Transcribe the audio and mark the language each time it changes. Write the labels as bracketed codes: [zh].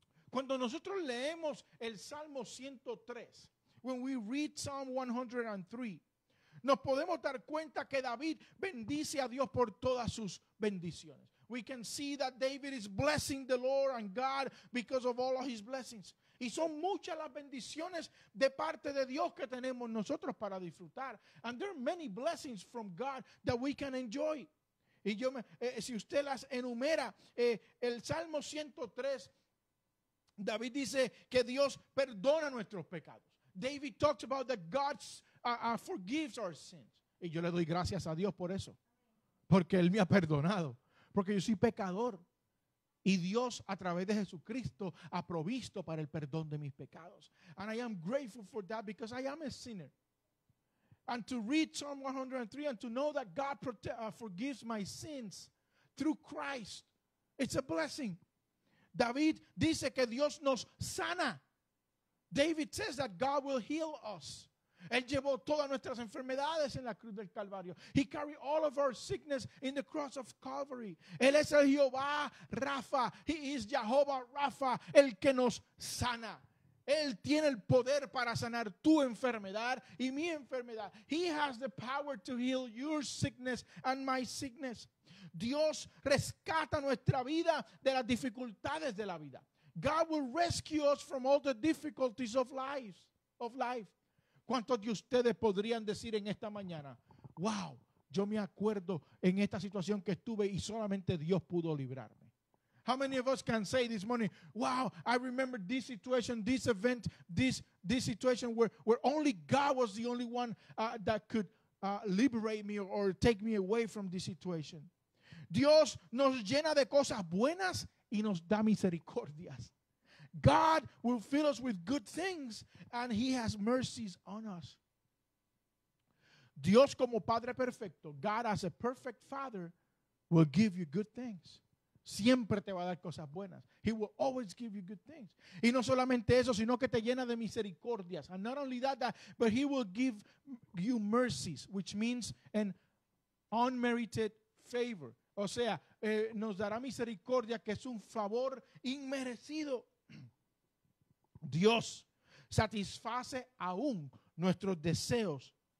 [es] Cuando nosotros leemos el Salmo 103, [en] when we read Psalm 103, [es] nos podemos dar cuenta que David bendice a Dios por todas sus bendiciones. [en] We can see that David is blessing the Lord and God because of all of his blessings. [es] Y son muchas las bendiciones de parte de Dios que tenemos nosotros para disfrutar. [en] And there are many blessings from God that we can enjoy. [es] Y yo me, si usted las enumera, el Salmo 103, David dice que Dios perdona nuestros pecados. [en] David talks about that God forgives our sins. [es] Y yo le doy gracias a Dios por eso. Porque Él me ha perdonado. Porque yo soy pecador. Y Dios, a través de Jesucristo, ha provisto para el perdón de mis pecados. [en] And I am grateful for that because I am a sinner. And to read Psalm 103 and to know that God forgives my sins through Christ, it's a blessing. [es] David dice que Dios nos sana. [en] David says that God will heal us. [es] Él llevó todas nuestras enfermedades en la cruz del Calvario. [en] He carried all of our sickness in the cross of Calvary. [es] Él es el Jehová Rafa. [en] He is Jehovah Rafa, [es] el que nos sana. Él tiene el poder para sanar tu enfermedad y mi enfermedad. [en] He has the power to heal your sickness and my sickness. [es] Dios rescata nuestra vida de las dificultades de la vida. [en] God will rescue us from all the difficulties of life. [es] ¿Cuántos de ustedes podrían decir en esta mañana, wow, yo me acuerdo en esta situación que estuve y solamente Dios pudo librarme? [en] How many of us can say this morning, wow, I remember this situation, this event, this situation where only God was the only one that could liberate me or take me away from this situation. [es] Dios nos llena de cosas buenas y nos da misericordias. [en] God will fill us with good things and he has mercies on us. [es] Dios como Padre perfecto, [en] God as a perfect Father, will give you good things. [es] Siempre te va a dar cosas buenas. [en] He will always give you good things. [es] Y no solamente eso, sino que te llena de misericordias. [en] And not only that, but he will give you mercies, which means an unmerited favor. [es] O sea, nos dará misericordia, que es un favor inmerecido. Dios satisface aún nuestros deseos.